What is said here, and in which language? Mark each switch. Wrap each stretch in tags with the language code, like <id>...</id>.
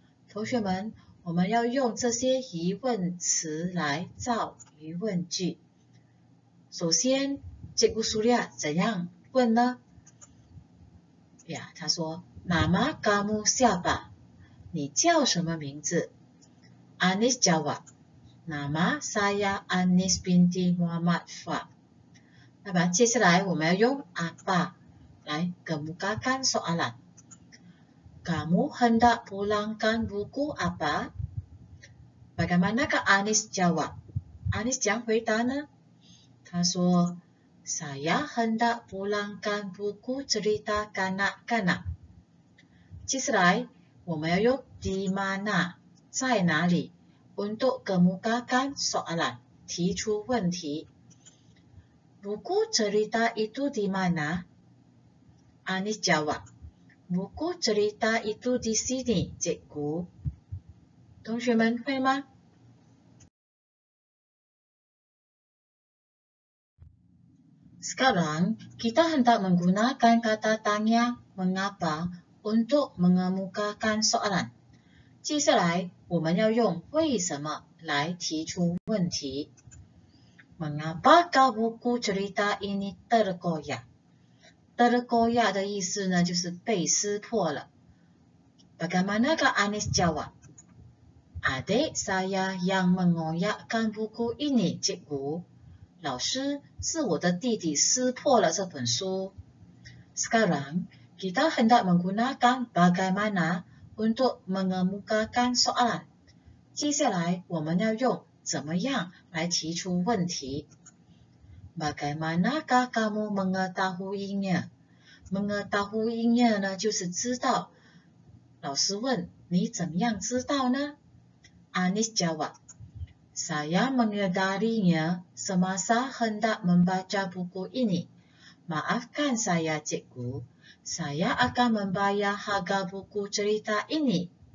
<zh>同学们，我们要用这些疑问词来造疑问句。首先，这个苏利亚怎样问呢？呀，他说</zh> <ms>，Nama kamu siapa？</ms> <zh>你叫什么名字 ？</zh> <ms>Anis jawab。 Nama saya Anis binti Muhammad Fuad.</ms> <zh>那么接下来我们要用 apa 来</zh> <ms>kemukakan soalan. Kamu hendak pulangkan buku apa? Bagaimanakah Anis jawab?</ms> <zh>Anis 怎样回答呢？他说</zh> <ms>，Saya hendak pulangkan buku cerita kanak-kanak.</ms> <zh>接下来我们要用 di mana 在哪里？</zh> <ms>Untuk kemukakan soalan,</ms> <zh>提出问题。</zh> <ms>Buku cerita itu di mana? Anis jawab, Buku cerita itu di sini, cikgu.</ms> <zh>同学们会吗？</zh> <ms>Sekarang, kita hendak menggunakan kata tanya mengapa untuk mengemukakan soalan.</ms> <zh>接下来我们要用为什么来提出问题。</zh> <ms>Mengapa kau buku cerita ini tergoyah?</ms> <zh>Tergoyah 的意思呢就是被撕破了。</zh> <ms>Bagaimanakah Anis jawab? Adik saya yang mengoyakkan buku ini, cikgu.</ms> <zh>老师是我的弟弟撕破了这本书。</zh> <ms>Sekarang kita hendak menggunakan bagaimana untuk mengemukakan soalan。</ms> <zh>接下来我们要用怎么样来提出问题。</zh> <ms>Bagaimanakah kamu mengetahuinya？</ms> <zh>Mengetahuinya 呢就是知道。老师问你怎么样知道呢？</zh> <ms>Anis jawab。 Saya menyadarinya semasa hendak membaca buku ini. Maafkan saya, cikgu. Saya akan membayar harga buku cerita ini.</ms>